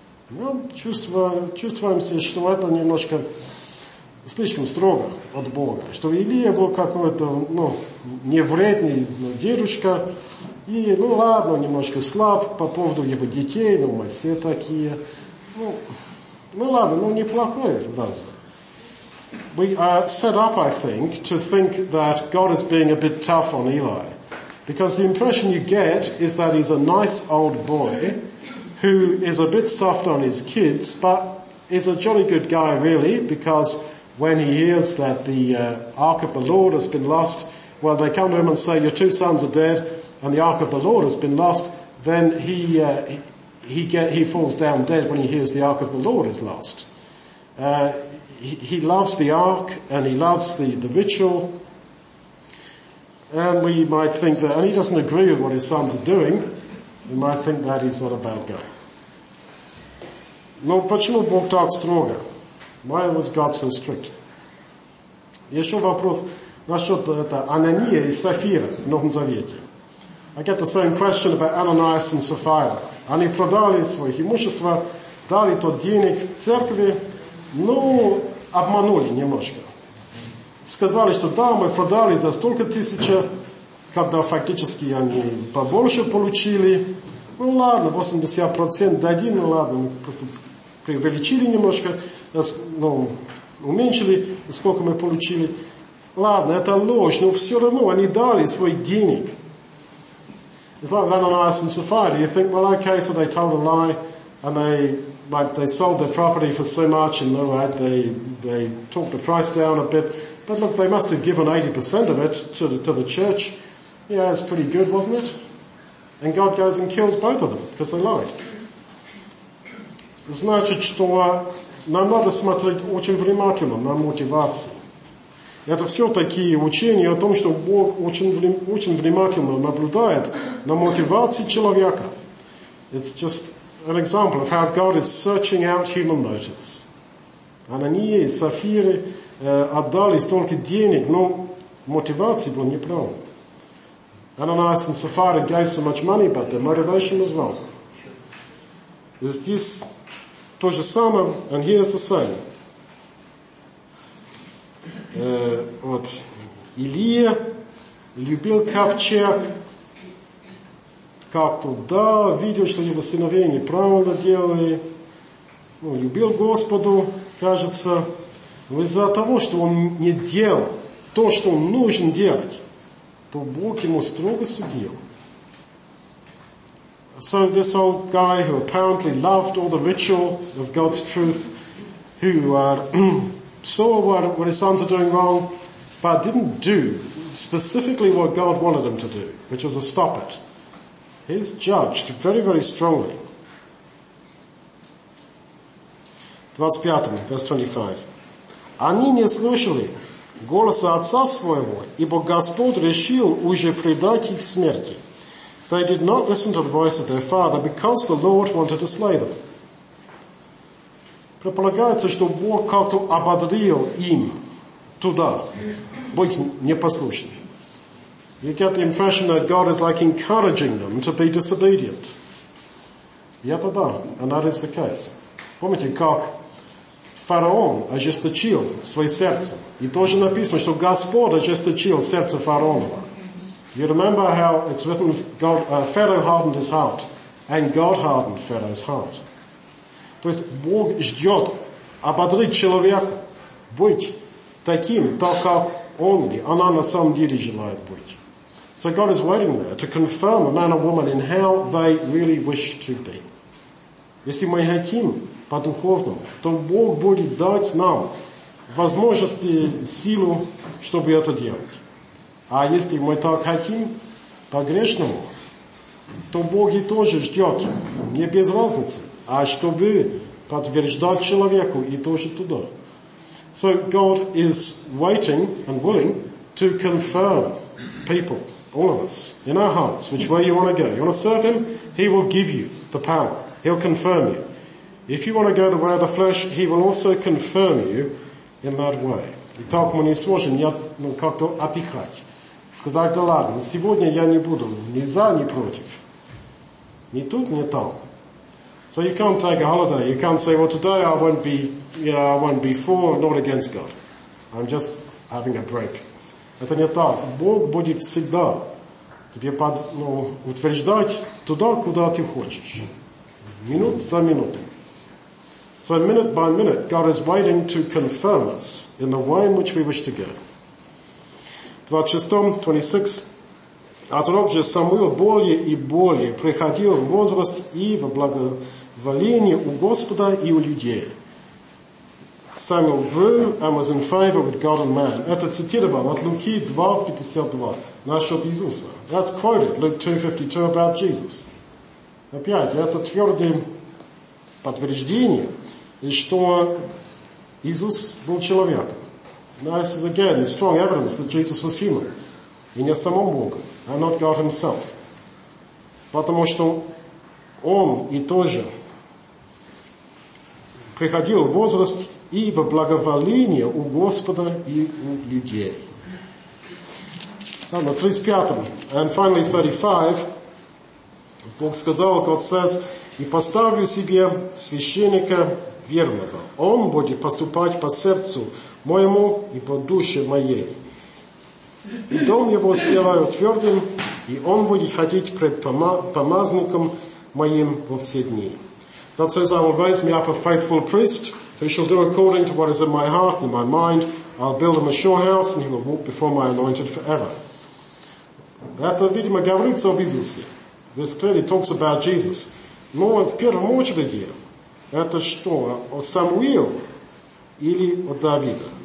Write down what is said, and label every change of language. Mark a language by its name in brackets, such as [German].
[Russian] Мы чувствуем себя, что это немножко слишком строго от Бога, что Илия был какой-то, ну, невредный, ну, дедушка, и, ну, ладно, немножко слаб по поводу его детей, ну, мы все такие, ну ладно, ну, неплохой, разве. [English] We are set up, I think, to think that God is being a bit tough on Eli, because the impression you get is that he's a nice old boy who is a bit soft on his kids, but is a jolly good guy, really, because when he hears that the Ark of the Lord has been lost, well, they come to him and say, your two sons are dead, and the Ark of the Lord has been lost, then he falls down dead when he hears the Ark of the Lord is lost. He loves the Ark, and he loves the ritual, and we might think that, and he doesn't agree with what his sons are doing, we might think that he's not a bad guy. [Russian] Но почему Бог так строго? [English] Why was God so strict? [Russian] Еще вопрос насчет это Анания и Сафира в Новом Завете. [English] I get the same question about Ananias and Sapphira. [Russian] Они продали свое имущество, дали тот денег церкви, но обманули немножко. Сказали, что да, мы продали за столько тысяч, когда фактически они побольше получили. Ну ладно, 80% дадим, ну ладно, мы просто преувеличили немножко, ну, уменьшили, сколько мы получили. Ладно, это ложь, но все равно они дали свой денег. [English] It's like Ananias and Sapphira. You think, well, okay, so they told a lie, and they sold their property for so much, and right, they talked the price down a bit. But look, they must have given 80% of it to the church. Yeah, it's pretty good, wasn't it? And God goes and kills both of them because they lied. [Russian] Значит, что нам надо смотреть очень внимательно на мотивации. Это все такие учения о том, что Бог очень внимательно наблюдает на мотивации человека. [English] It's just an example of how God is searching out human motives. [Russian] Анания и Сафиры отдали столько денег, но мотивация была неправильной. [English] Ананиас и Сафира gave so much money, but their motivation was wrong. [Russian] Здесь то же самое, [English] and here is the same. [Russian] Вот, Илия любил ковчег, как туда, видел, что его сыновей неправильно делали. Ну, любил Господу, кажется, но из-за того, что он не делал то, что он нужен делать, то Бог ему строго судил. [English] So this old guy who apparently loved all the ritual of God's truth, who saw what his sons were doing wrong, but didn't do specifically what God wanted him to do, which was to stop it, he's judged very, very strongly. [Russian] 25, [English] verse 25. [Russian] Они не слышали голоса отца своего, ибо Господь решил уже предать их смерти. [English] They did not listen to the voice of their father because the Lord wanted to slay them. [Russian] Предполагается, что Бог как-то ободрил им туда. Будь непослушны. [English] You get the impression that God is like encouraging them to be disobedient. [Russian] Это да, [English] and that is the case. [Russian] Помните, как фараон ожесточил свое сердце. И тоже написано, что Господь ожесточил сердце фараонова. [English] You remember how it's written, Pharaoh hardened his heart, and God hardened Pharaoh's heart. [Russian] То есть Бог ждет ободрить человека быть таким, так как он или она на самом деле желает быть. [English] So God is waiting there to confirm a man or woman in how they really wish to be. [Russian] Если мы хотим по-духовному, то Бог будет дать нам возможности, силу, чтобы это делать. А если мы так хотим, по-грешному, то Бог и тоже ждет, не без разницы, а чтобы подтверждать человеку и тоже туда. [English] So God is waiting and willing to confirm people, all of us, in our hearts, which way you want to go. You want to serve Him, He will give you the power. He'll confirm you. If you want to go the way of the flesh, He will also confirm you in that way. [Russian] Итак, мы не сможем как-то отдыхать. Сказать, да ладно, сегодня я не буду ни за, ни против. Ни тут, ни там. [English] So you can't take a holiday. You can't say, well, today I won't be for or not against God. I'm just having a break. [Russian] Это не так. Бог будет всегда тебе утверждать туда, куда ты хочешь. Минут за минутой. [English] So minute by minute, God is waiting to confirm us in the way in which we wish to go. 26. [Russian] От рук же Самуил более и более приходил в возраст и в благоволение у Господа и у людей. [English] Samuel grew and was in favor with God and man. [Russian] Это цитировано от Луки 2:52 насчет Иисуса. [English] That's quoted Luke 2:52 about Jesus. [Russian] Опять, это твердое подтверждение, что Иисус был человеком. [English] Now this is again strong evidence that Jesus was human. [Russian] И не самом Богом, [English] and not God himself. [Russian] Потому что он и тоже приходил в возраст и во благоволение у Господа и у людей. На 35-м, [English] and finally 35, [Russian] Бог сказал, [English] God says, [Russian] и поставлю себе священника верного. Он будет поступать по сердцу моему и по душе моей. И дом его сделаю твердым, и он будет ходить пред помазником моим во все дни. [English] God says, I will raise me up a faithful priest, who shall do according to what is in my heart and in my mind. I'll build him a sure house, and he will walk before my anointed forever. [Russian] Это, видимо, говорится об Иисусе. [English] This clearly talks about Jesus. [Russian] Но в первом очереди, это что, о Самуил или о Давида?